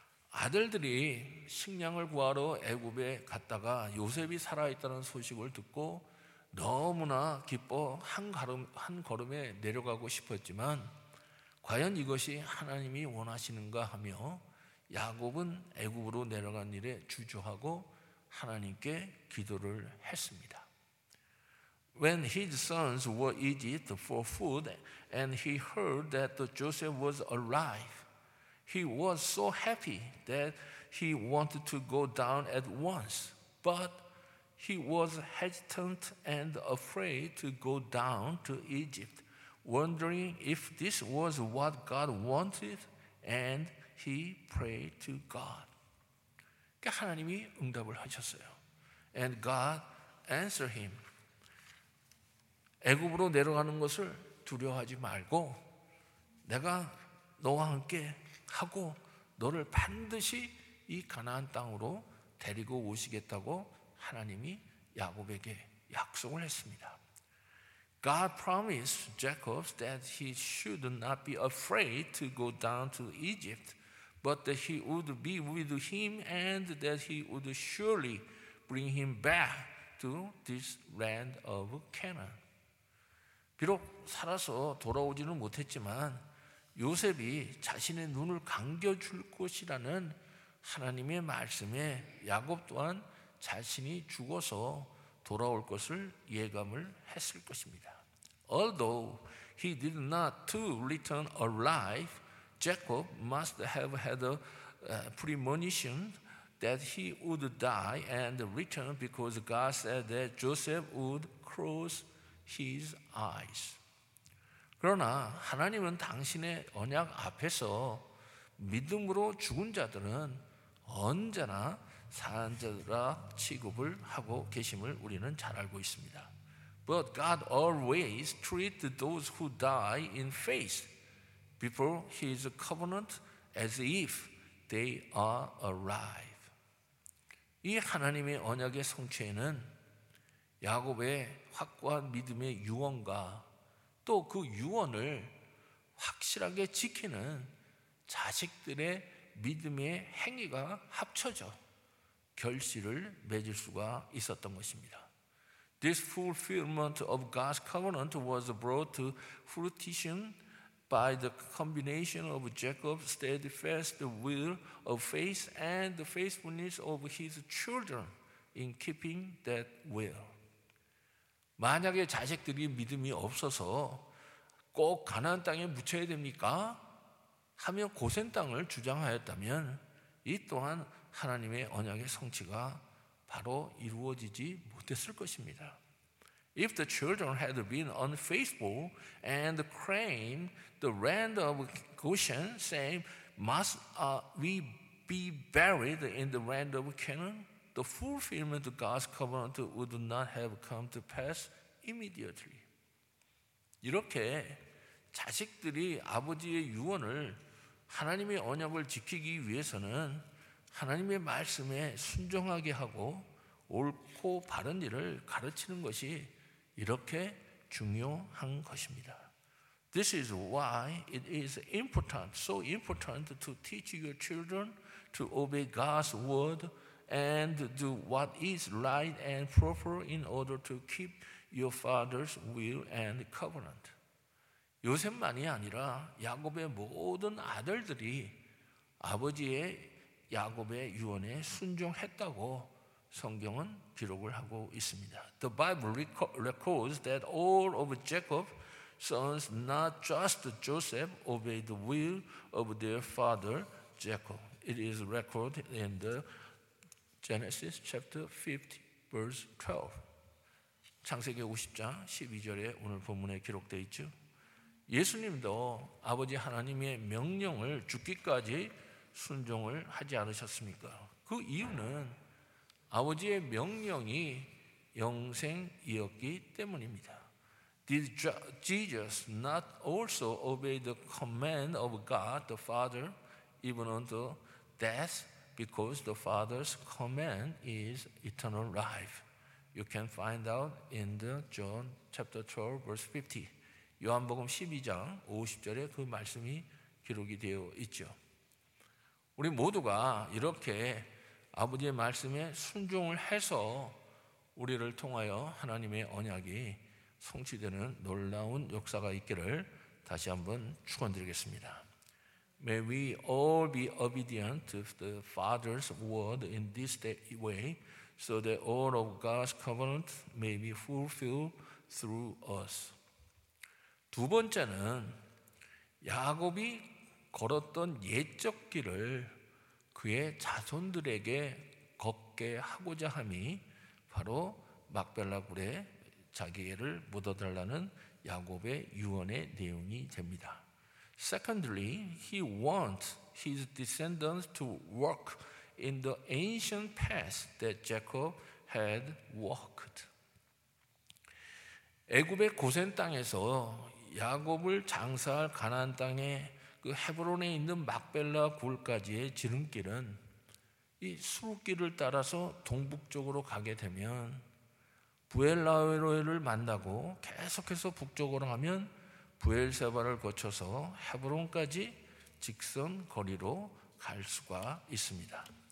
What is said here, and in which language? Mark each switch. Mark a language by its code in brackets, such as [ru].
[ko] 아들들이 식량을 구하러 애굽에 갔다가 요셉이 살아있다는 소식을 듣고 너무나 기뻐 한 걸음에 내려가고 싶었지만 과연 이것이 하나님이 원하시는가 하며 야곱은 애굽으로 내려간 일에 주저하고 하나님께 기도를 했습니다. [en] When his sons were in Egypt for food and he heard that Joseph was alive, he was so happy that he wanted to go down at once, but he was hesitant and afraid to go down to Egypt, wondering if this was what God wanted, and he prayed to God. [ko] 하나님이 응답을 하셨어요. [en] And God answered him. [ko] 애굽으로 내려가는 것을 두려워하지 말고 내가 너와 함께 하고 너를 반드시 이 가나안 땅으로 데리고 오시겠다고 하나님이 야곱에게 약속을 했습니다. [en] God promised Jacob that he should not be afraid to go down to Egypt, but that he would be with him and that he would surely bring him back to this land of Canaan. [ko] 비록 살아서 돌아오지는 못했지만 요셉이 자신의 눈을 감겨줄 것이라는 하나님의 말씀에 야곱 또한 자신이 죽어서 돌아올 것을 예감을 했을 것입니다. [en] Although he did not to return alive, Jacob must have had a premonition that he would die and return because God said that Joseph would close his eyes. [ko] 그러나 하나님은 당신의 언약 앞에서 믿음으로 죽은 자들은 언제나 산 자들아 취급을 하고 계심을 우리는 잘 알고 있습니다. [en] But God always treats those who die in faith before his covenant as if they are alive. [ko] 이 하나님의 언약의 성취에는 야곱의 확고한 믿음의 유언과 또 그 유언을 확실하게 지키는 자식들의 믿음의 행위가 합쳐져 결실을 맺을 수가 있었던 것입니다. [en] This fulfillment of God's covenant was brought to fruition by the combination of Jacob's steadfast will of faith and the faithfulness of his children in keeping that will. [ko] 만약에 자식들이 믿음이 없어서 꼭 가나안 땅에 묻혀야 됩니까? 하며 고센 땅을 주장하였다면 이 또한 하나님의 언약의 성취가 바로 이루어지지 못했을 것입니다. [en] If the children had been unfaithful and claimed the land of Goshen, saying, must we be buried in the land of Canaan, the fulfillment of God's covenant would not have come to pass immediately. [ko] 이렇게 자식들이 아버지의 유언을 하나님의 언약을 지키기 위해서는 하나님의 말씀에 순종하게 하고 옳고 바른 일을 가르치는 것이 이렇게 중요한 것입니다. [en] This is why it is important, so important to teach your children to obey God's word and do what is right and proper in order to keep your father's will and covenant. [ko] 요셉만이 아니라 야곱의 모든 아들들이 아버지의 야곱의 유언에 순종했다고 성경은 기록을 하고 있습니다. [en] The Bible records that all of Jacob's sons, not just Joseph, obeyed the will of their father Jacob. It is recorded in the Genesis chapter 50, verse 12. [ko] 창세기 50장 12절에 오늘 본문에 기록되어 있죠. 예수님도 아버지 하나님의 명령을 죽기까지 순종을 하지 않으셨습니까? 그 이유는 아버지의 명령이 영생이었기 때문입니다. [en] Did Jesus not also obey the command of God the Father even unto death because the Father's command is eternal life? You can find out in the John chapter 12 verse 50. [ko] 요한복음 12장 50절에 그 말씀이 기록이 되어 있죠. 우리 모두가 이렇게 아버지의 말씀에 순종을 해서 우리를 통하여 하나님의 언약이 성취되는 놀라운 역사가 있기를 다시 한번 축원드리겠습니다. [en] May we all be obedient to the Father's word in this way so that all of God's covenant may be fulfilled through us. [ko] 두 번째는 야곱이 걸었던 옛적 길을 그의 자손들에게 걷게 하고자 함이 바로 막벨라굴에 자기애를 묻어달라는 야곱의 유언의 내용이 됩니다. [en] Secondly, he wants his descendants to walk in the ancient path that Jacob had walked. [ko] 애굽의 고센 땅에서 야곱을 장사할 가나안 땅에 그 헤브론에 있는 막벨라 굴까지의 지름길은 이 수로길을 따라서 동북쪽으로 가게 되면 부엘라웨로를 만나고 계속해서 북쪽으로 가면 부엘세바를 거쳐서 헤브론까지 직선 거리로 갈 수가 있습니다.